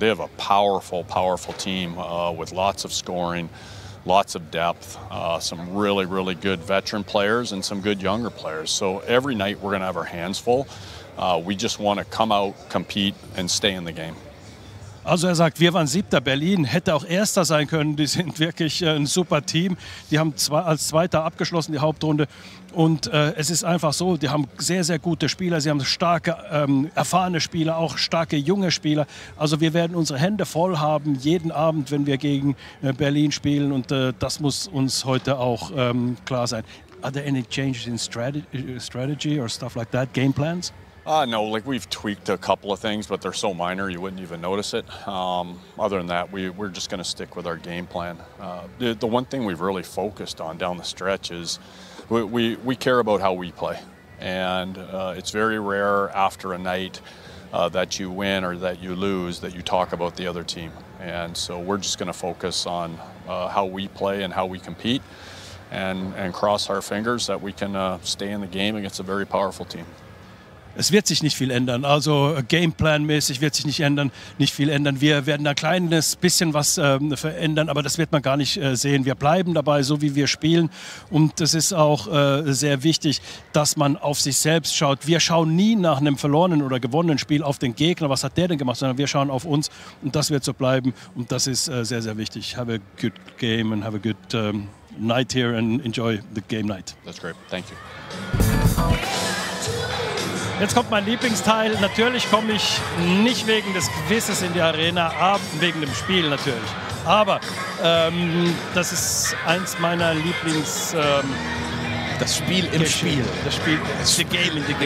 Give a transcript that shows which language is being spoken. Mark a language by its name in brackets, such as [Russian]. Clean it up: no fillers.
[English] They have a powerful, powerful team with lots of scoring, lots of depth, some really, really good veteran players and some good younger players. So every night we're going to have our hands full. We just want to come out, compete and stay in the game. [German] Also er sagt, wir waren Siebter, Berlin hätte auch Erster sein können. Die sind wirklich ein super Team. Die haben als Zweiter abgeschlossen, die Hauptrunde. Und es ist einfach so, die haben sehr, sehr gute Spieler. Sie haben starke, erfahrene Spieler, auch starke, junge Spieler. Also wir werden unsere Hände voll haben, jeden Abend, wenn wir gegen Berlin spielen. Und das muss uns heute auch klar sein. [English] Are there any changes in strategy or stuff like that, game plans? No, like we've tweaked a couple of things, but they're so minor you wouldn't even notice it. Other than that, we're just going to stick with our game plan. The one thing we've really focused on down the stretch is we care about how we play. And it's very rare after a night that you win or that you lose that you talk about the other team. And so we're just going to focus on how we play and how we compete and cross our fingers that we can stay in the game against a very powerful team. [German] Es wird sich nicht viel ändern, also Gameplan-mäßig wird sich nicht viel ändern. Wir werden da ein kleines bisschen was verändern, aber das wird man gar nicht sehen. Wir bleiben dabei, so wie wir spielen, und es ist auch sehr wichtig, dass man auf sich selbst schaut. Wir schauen nie nach einem verlorenen oder gewonnenen Spiel auf den Gegner, was hat der denn gemacht, sondern wir schauen auf uns, und das wird so bleiben, und das ist sehr, sehr wichtig. [English] Have a good game and have a good night here and enjoy the game night. That's great, thank you. [German] Jetzt kommt mein Lieblingsteil. Natürlich komme ich nicht wegen des Quizzes in die Arena, aber wegen dem Spiel natürlich. Aber das ist eins meiner Lieblings... das Spiel im Spiel. Das Spiel. [English] The game in the game.